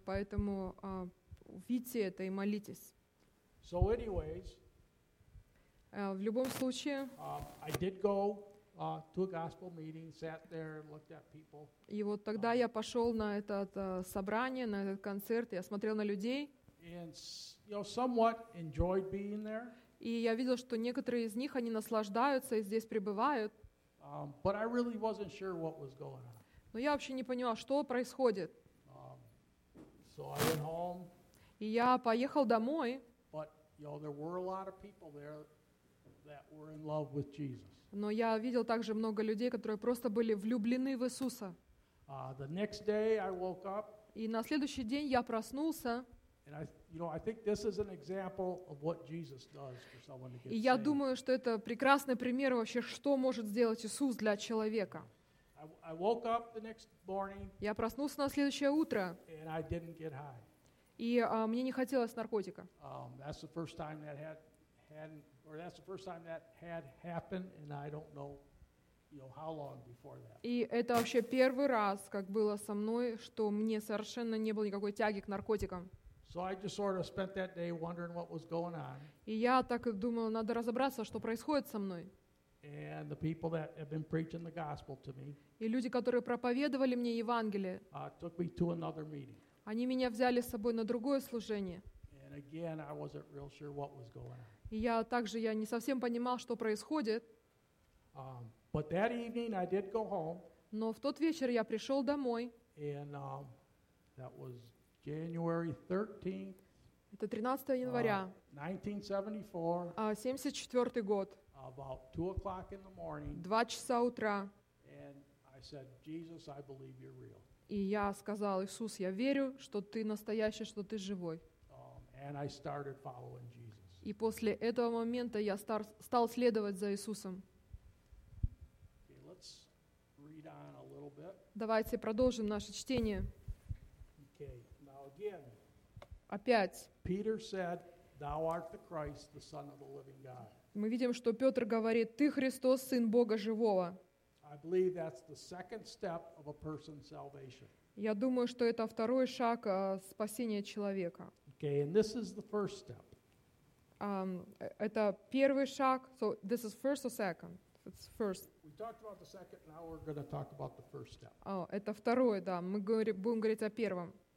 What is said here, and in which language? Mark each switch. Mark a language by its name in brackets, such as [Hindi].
[Russian] Поэтому увидьте это и молитесь. [English] So anyways, [Russian] в любом случае, [English] I did go to a gospel meeting, sat there and looked at people. [Russian] И вот тогда я пошел на это собрание, на этот концерт, я смотрел на людей. [English] And, you know, somewhat enjoyed being there. [Russian] И я видел, что некоторые из них, они наслаждаются и здесь пребывают. [English] But I really wasn't sure what was going on. [Russian] Но я вообще не понимал, что происходит. [English] So I went home. [Russian] И я поехал домой. [English] But, you know, there were a lot of people there that were in love with Jesus. [Russian] Но я видел также много людей, которые просто были влюблены в Иисуса. [English] The next day I woke up. [Russian] И на следующий день я проснулся. [English] And I, you know, I think this is an example of what Jesus does for someone to get saved. [Russian] И я думаю, что это прекрасный пример вообще, что может сделать Иисус для человека. [English] I woke up the next morning. [Russian] Я проснулся на следующее утро. [English] And I didn't get high. [Russian] И мне не хотелось наркотика. [English] That's the first time that that's the first time that had happened, and I don't know, you know, how long before that. [Russian] И это вообще первый раз, как было со мной, что мне совершенно не было никакой тяги к наркотикам. [English] So I just sort of spent that day wondering what was going on. [Russian] И я так и думал, надо разобраться, что происходит со мной. [English] And the people that have been preaching the gospel to me. [Russian] И люди, которые проповедовали мне Евангелие. [English] Took me to another meeting. [Russian] Они меня взяли с собой на другое служение. [English] And again, I wasn't real sure what was going on. [Russian] И я также я не совсем понимал, что происходит. [English] But that evening I did go home. [Russian] Но в тот вечер я пришел домой. [English] And that was January 13th. [Russian] Это 13 января. [English] 1974. [Russian] 74 год. [English] About 2 o'clock in the morning. [Russian] 2 часа утра. [English] And I said, Jesus, I believe you're real. [Russian] И я сказал, Иисус, я верю, что ты настоящий, что ты живой. [English] And I started following Jesus. [Russian] И после этого момента я стал следовать за Иисусом. [English] Okay, let's read on a little bit. [Russian] Давайте продолжим наше чтение. [English] Okay, now again, [Russian] опять. [English] Peter said, "Thou art the Christ, the Son of the living God." [Russian] Мы видим, что Петр говорит, «Ты Христос, Сын Бога Живого». [English] I believe that's the second step of a person's salvation. [Russian] Я думаю, что это второй шаг спасения человека. [English] Okay, and this is the first step. [Russian] Это первый шаг. [English] So this is first or second? It's first. We talked about the second. Now we're going to talk about the first step. [Russian] Oh, это второе, да. Мы будем говорить о первом.